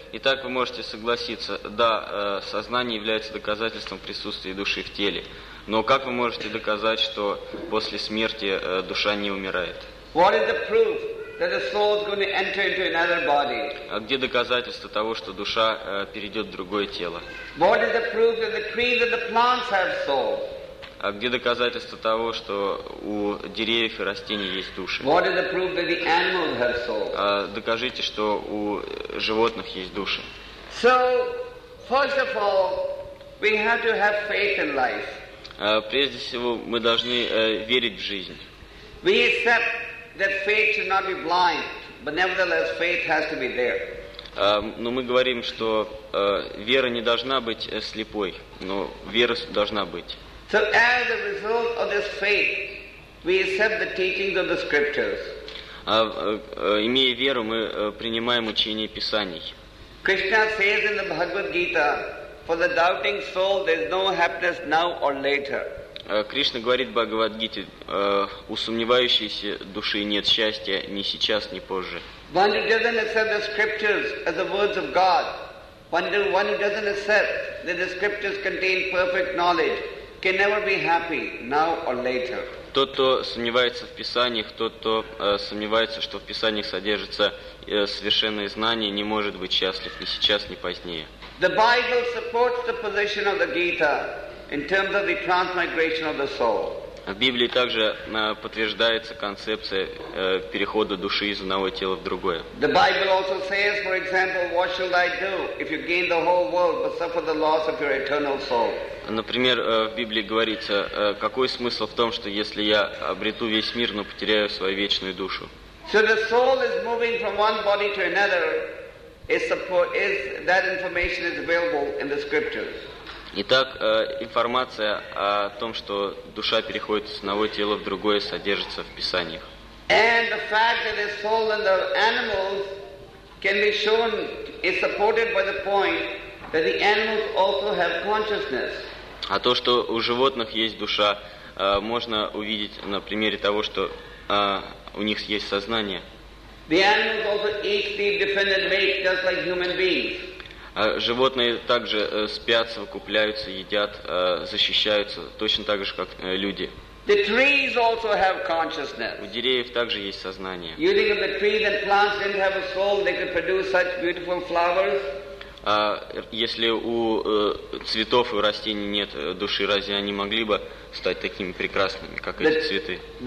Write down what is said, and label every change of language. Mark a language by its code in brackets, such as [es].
[ru] Итак, вы можете согласиться, да, сознание является доказательством присутствия души в теле. Но как вы можете доказать, что после смерти душа не умирает? [en] What is the proof that the soul is going to enter into another body? [ru] А где доказательство того, что душа перейдет в другое тело? [en] What is the proof that the trees and the plants have souls? [ru] А где доказательство того, что у деревьев и растений есть души? [en] What is the proof that the animals have souls? [ru] А докажите, что у животных есть души. [en] So, first of all, we have to have faith in life. [ru] Прежде всего, мы должны верить в жизнь. [en] We accept that faith should not be blind, but nevertheless, faith has to be there. [ru] Но мы говорим, что вера не должна быть слепой, но вера должна быть. [en] So as a result of this faith, we accept the teachings of the scriptures. [ru] Имея веру, мы принимаем учение Писаний. [en] Krishna says in the Bhagavad Gita, for the doubting soul, there is no happiness now or later. [ru] Кришна говорит в Бхагавад-гите, у сомневающейся души нет счастья ни сейчас, ни позже. [en] One who doesn't accept the scriptures as the words of God, one who doesn't accept that the scriptures contain perfect knowledge, can never be happy now or later. [ru] Тот, кто сомневается в Писаниях, тот, кто сомневается, что в Писаниях содержится совершенное знание, не может быть счастлив ни сейчас, ни позднее. [en] The Bible supports the position of the Gita in terms of the transmigration of the soul. [ru] В Библии также подтверждается концепция перехода души из одного тела в другое. [en] The Bible also says, for example, what shall I do if you gain the whole world but suffer the loss of your eternal soul? [ru] Например, в Библии говорится, какой смысл в том, что если я обрету весь мир, но потеряю свою вечную душу? [en] So the soul is moving from one body to another. That information is available in the scriptures. [ru] Итак, информация о том, что душа переходит из одного тела в другое, содержится в Писаниях. [en] And the fact that the soul and the animals can be shown is supported by the point that the animals also have consciousness. [ru] А то, что у животных есть душа, можно увидеть на примере того, что у них есть сознание. [en] The animals also eat sleep dependent mate just like human beings. [ru] Животные также спят, совокупляются, едят, защищаются точно так же, как люди. [en] The trees also have consciousness. [ru] У деревьев также есть сознание. [en] You think if the trees and plants didn't have a soul, they could produce such beautiful flowers? [ru] Если у цветов и у растений нет души, разве они могли бы стать такими прекрасными, как эти цветы?